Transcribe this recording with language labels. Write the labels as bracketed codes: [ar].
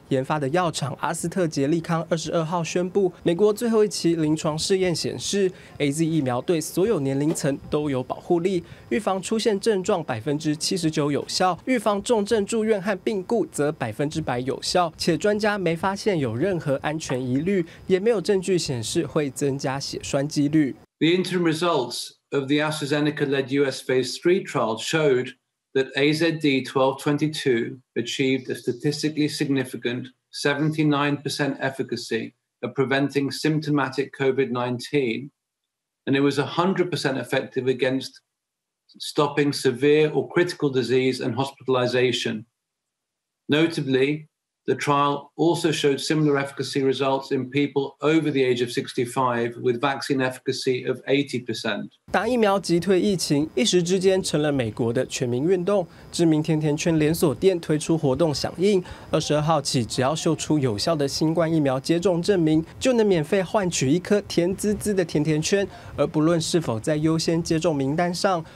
[zh] 研发的药厂阿斯特捷利康22号宣布，美国最后一期临床试验显示 AZ 疫苗对所有年龄层都有保护力，预防出现症状79%有效，预防重症住院和病故则100%有效，且专家没发现有任何安全疑虑，也没有证据显示会增加血栓几率。 [en] The interim results of the AstraZeneca-led US Phase 3 trial showed that AZD1222 achieved a statistically significant 79% efficacy at preventing symptomatic COVID-19, and it was 100% effective against stopping severe or critical disease and hospitalization. Notably,The trial also showed similar efficacy results in people over the age of 65 with vaccine efficacy of 80%. [zh] 打疫苗击退疫情，一时之间成了美国的全民运动。知名甜甜圈连锁店推出活动响应，22号起，只要秀出有效的新冠疫苗接种证明，就能免费换取一颗甜滋滋的甜甜圈，而不论是否在优先接种名单上。